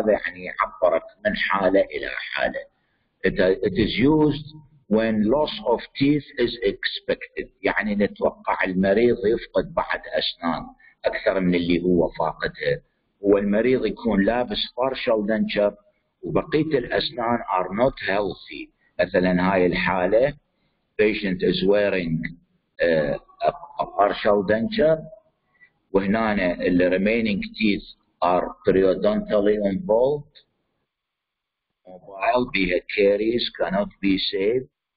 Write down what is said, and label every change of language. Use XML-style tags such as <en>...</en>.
<ar>هذا يعني عبرك من حالة إلى حالة.</ar> <en>It is used when loss of teeth is expected.</en> <ar>يعني نتوقع المريض يفقد بعض أسنان أكثر من اللي هو فاقدها. والمريض يكون لابس partial denture وبقية الأسنان</ar> <en>are not healthy.</en> <ar>مثلا هاي الحالة</ar> <en>patient is wearing a partial denture وهنا ال remaining teeth are periodontally involved, mobile, be a caries, cannot be saved.</en>